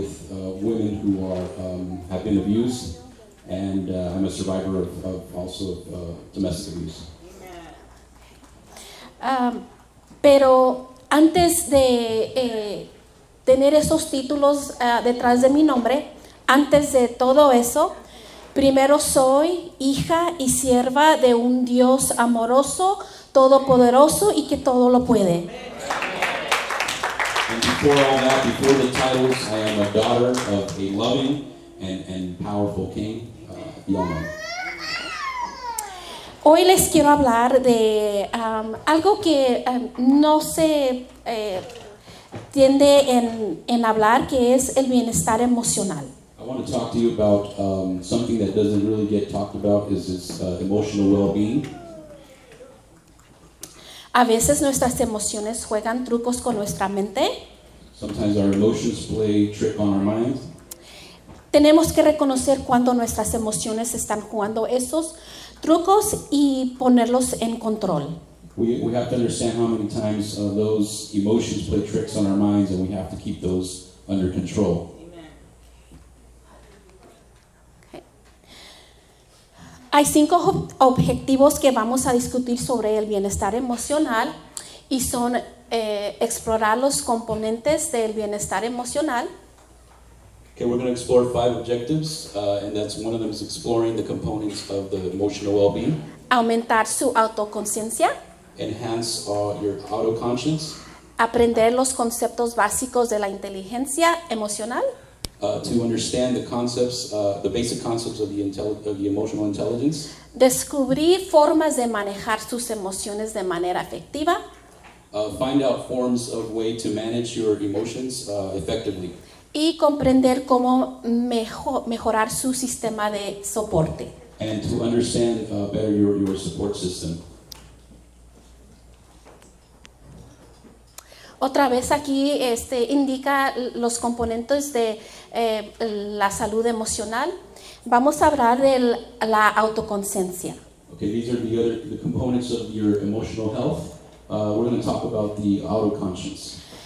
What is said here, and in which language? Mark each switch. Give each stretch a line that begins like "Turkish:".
English: I've been with homeless people, with children, and with women who have been abused, and I'm a survivor of domestic abuse.
Spanish: Pero antes de tener esos títulos detrás de mi nombre, antes de todo eso, primero soy hija y sierva de un Dios amoroso, todopoderoso y que todo lo puede.
English: And before all that, before the titles, I am a daughter of a loving and powerful king, Yomar.
Spanish: Hoy les quiero hablar de algo que no se tiende en hablar, que es el bienestar emocional.
English: I want to talk to you about something that doesn't really get talked about, is this emotional well-being.
Spanish: A veces nuestras emociones juegan trucos con nuestra mente.
English: Sometimes our emotions play trick on our minds.
Spanish: Tenemos que reconocer cuando nuestras emociones están jugando esos trucos y ponerlos en control.
English: We have to understand how many times those emotions play tricks on our minds, and we have to keep those under control.
Spanish: Hay 5 objetivos que vamos a discutir sobre el bienestar emocional y son explorar los componentes del bienestar emocional.
English: Okay, we're going to explore 5 objectives, and that's one of them is exploring the components of the emotional well-being.
Spanish: Aumentar su autoconciencia.
English: Enhance your autoconscience.
Spanish: Aprender los conceptos básicos de la inteligencia emocional.
English: To understand the concepts, the basic concepts of the emotional intelligence.
Spanish: Descubrir formas de manejar sus emociones de manera efectiva.
English: Find out forms of way to manage your emotions effectively.
Spanish: Y comprender cómo mejorar su sistema de soporte.
English: And to understand better your support system.
Spanish: Otra vez aquí indica los componentes de la salud emocional. Vamos a hablar de la autoconciencia.
English: Okay, these are the components of your emotional health. We're going to talk about the autoconscience.